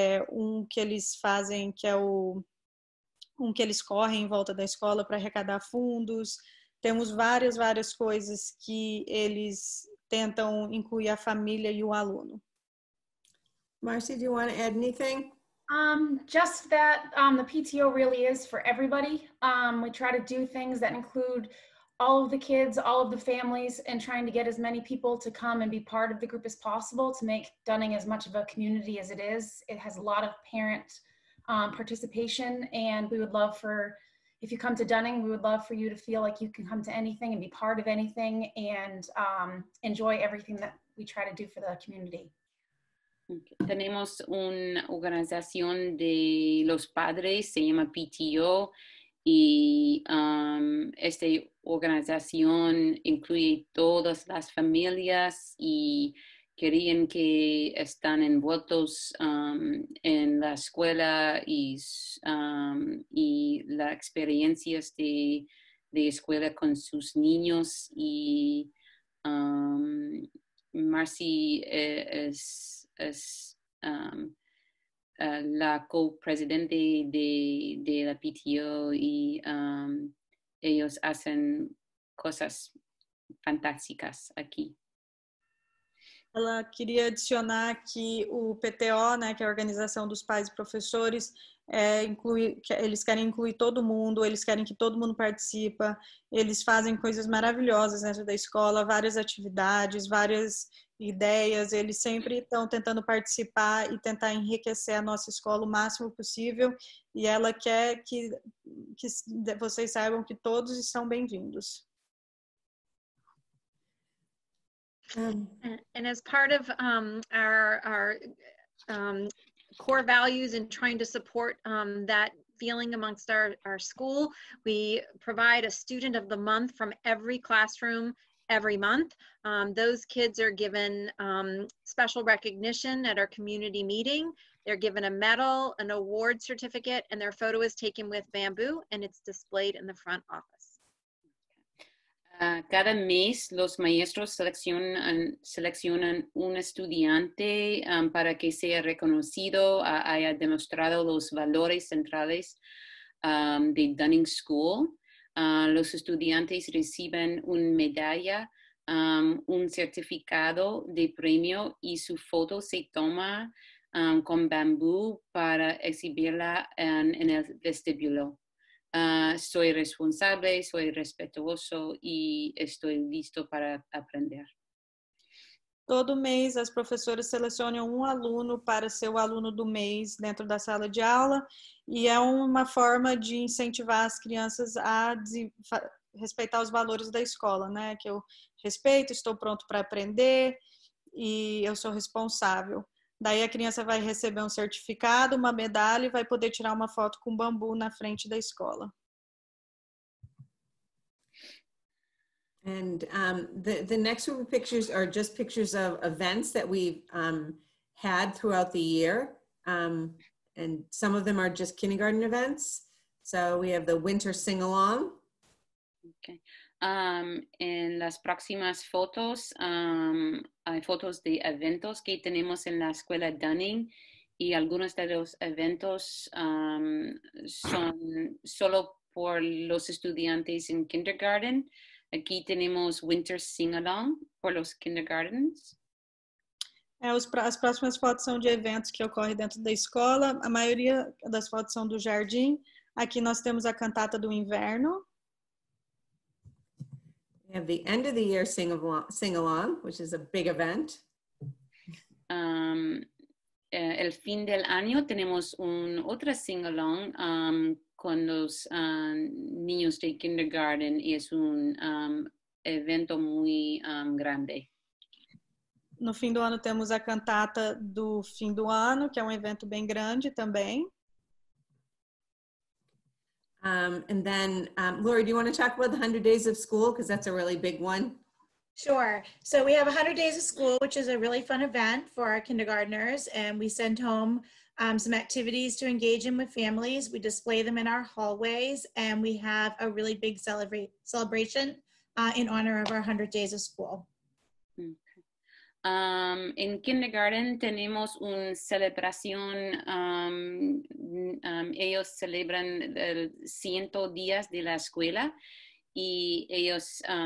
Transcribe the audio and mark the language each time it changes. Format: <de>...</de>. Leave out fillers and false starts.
<pt>Um que eles fazem, que é um que eles correm em volta da escola para arrecadar fundos. Temos várias, várias coisas que eles tentam incluir a família e o aluno.</pt> <en>Marcy, do you want to add anything? Just that the PTO really is for everybody. We try to do things that include all of the kids, all of the families, and trying to get as many people to come and be part of the group as possible to make Dunning as much of a community as it is. It has a lot of parent participation, and we would love for, if you come to Dunning, we would love for you to feel like you can come to anything and be part of anything and enjoy everything that we try to do for the community. Okay.</en> <es>Tenemos una organización de los padres, se llama PTO, y esta organización incluye todas las familias y querían que están envueltos en la escuela y las experiencias de escuela con sus niños y Marcy es la co-presidente de la PTO y ellos hacen cosas fantásticas aquí.</es> <pt>Ela queria adicionar que o PTO, né, que é a Organização dos Pais e Professores, eles querem incluir todo mundo, eles querem que todo mundo participa, eles fazem coisas maravilhosas dentro da escola, várias atividades, várias ideias, eles sempre estão tentando participar e tentar enriquecer a nossa escola o máximo possível, e ela quer que vocês saibam que todos estão bem-vindos.</pt> <en>And as part of our core values and trying to support that feeling amongst our school, we provide a student of the month from every classroom every month. Those kids are given special recognition at our community meeting. They're given a medal, an award certificate, and their photo is taken with bamboo and it's displayed in the front office.</en> <es>Cada mes los maestros seleccionan un estudiante para que sea reconocido, haya demostrado los valores centrales de Dunning School. Los estudiantes reciben una medalla, un certificado de premio y su foto se toma con bambú para exhibirla en el vestíbulo. Soy responsable, soy respetuoso y estoy listo para aprender.</es> <pt>Todo mês as professoras selecionam um aluno para ser o aluno do mês dentro da sala de aula e é uma forma de incentivar as crianças a respeitar os valores da escola, né? Que eu respeito, estou pronto para aprender e eu sou responsável. Daí a criança vai receber um certificado, uma medalha e vai poder tirar uma foto com bambu na frente da escola.</pt> <en>And the next group of pictures are just pictures of events that we've had throughout the year. And some of them are just kindergarten events. So we have the winter sing-along. Okay.</en> <es>En las próximas fotos, hay fotos de eventos que tenemos en la escuela Dunning y algunos de los eventos son solo por los estudiantes en kindergarten. Aquí tenemos Winter Sing-Along por los kindergartens.</es> <pt>As próximas fotos são de eventos que ocorrem dentro da escola. A maioria das fotos são do jardim. Aqui nós temos a cantata do inverno.</pt> <en>We have the end of the year sing-along, which is a big event.</en> <es>El fin del año tenemos un otra sing-along con los niños de kindergarten y es un evento muy grande.</es> <pt>No fim do ano temos a cantata do fim do ano, que é evento bem grande também.</pt> <en>And then, Lori, do you want to talk about the 100 days of school? Because that's a really big one. Sure. So we have 100 days of school, which is a really fun event for our kindergartners. And we send home some activities to engage in with families. We display them in our hallways. And we have a really big celebration in honor of our 100 days of school.</en> <es>En kindergarten tenemos una celebración, ellos celebran el 100 días de la escuela y ellos</es>